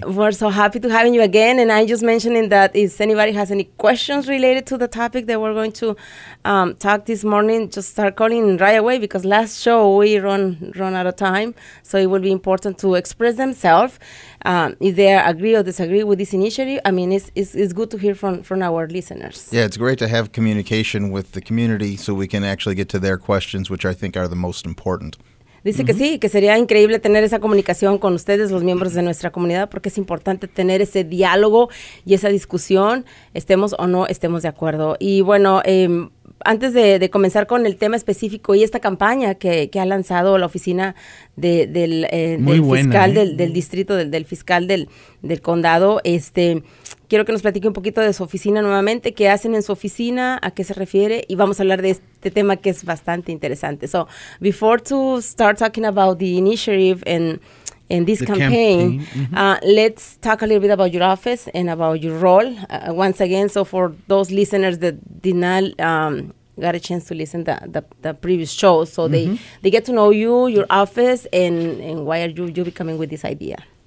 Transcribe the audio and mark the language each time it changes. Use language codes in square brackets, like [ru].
[en] We're so happy to have you again, and I'm just mentioning that if anybody has any questions related to the topic that we're going to talk this morning, just start calling right away, because last show we run out of time, so it will be important to express themselves. If they agree or disagree with this initiative, I mean, it's good to hear from our listeners. Yeah, it's great to have communication with the community so we can actually get to their questions, which I think are the most important. [es] Dice que sí, que sería increíble tener esa comunicación con ustedes, los miembros de nuestra comunidad, porque es importante tener ese diálogo y esa discusión, estemos o no estemos de acuerdo. Y bueno, antes de comenzar con el tema específico y esta campaña que ha lanzado la oficina del fiscal del condado, quiero que nos platique un poquito de su oficina nuevamente, qué hacen en su oficina, a qué se refiere, y vamos a hablar de este tema que es bastante interesante. [en] So, before to start talking about the initiative and this campaign. Let's talk a little bit about your office and about your role. Once again, so for those listeners that did not got a chance to listen to the previous show, so they get to know you, your office, and why are you coming with this idea?